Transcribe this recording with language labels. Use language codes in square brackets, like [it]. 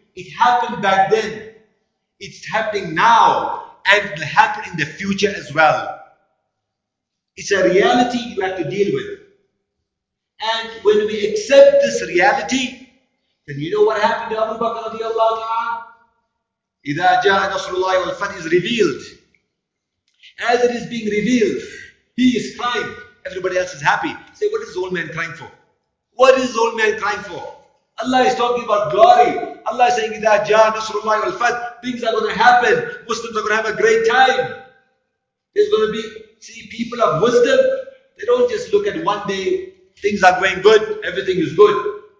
[en] It happened back then. It's happening now and it will happen in the future as well. It's a reality you have to deal with. And when we accept this reality, then you know what happened to Abu Bakr radiallahu ta'ala? [ar] إِذَا جَاءَ نَصْرُ اللَّهِ وَالْفَتْحِ [en] is revealed. As it is being revealed, he is crying. Everybody else is happy. Say, what is the old man crying for? What is the old man crying for? Allah is talking about glory. Allah is saying, [ar] إِذَا جَاءَ نَصْرُ اللَّهِ وَالْفَتْحِ, [en] things are going to happen. Muslims are going to have a great time. There's going to be, see, people of wisdom, they don't just look at one day, things are going good, everything is good.